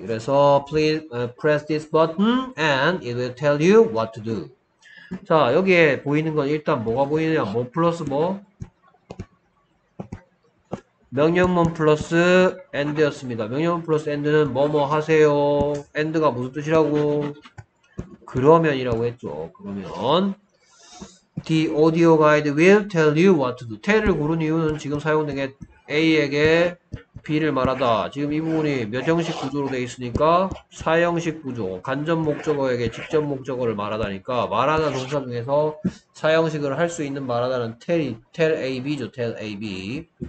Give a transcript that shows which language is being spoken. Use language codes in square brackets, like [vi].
[ko] 그래서 [en] please press this button and it will tell you what to do. [ko] 자, 여기에 보이는 건 일단 뭐가 보이냐? 뭐 플러스 뭐? 명령문 플러스 and였습니다. 명령문 플러스 and는 뭐뭐 하세요. and가 무슨 뜻이라고? 그러면이라고 했죠. 그러면 [en] the audio guide will tell you what to do. [ko] tell을 고른 이유는 지금 사용된 게 a에게 B를 말하다. 지금 이 부분이 몇형식 구조로 되어 있으니까 사형식 구조. 간접 목적어에게 직접 목적어를 말하다니까 말하다 동사 중에서 사형식을 할수 있는 말하다는 tell AB죠. [en] tell AB.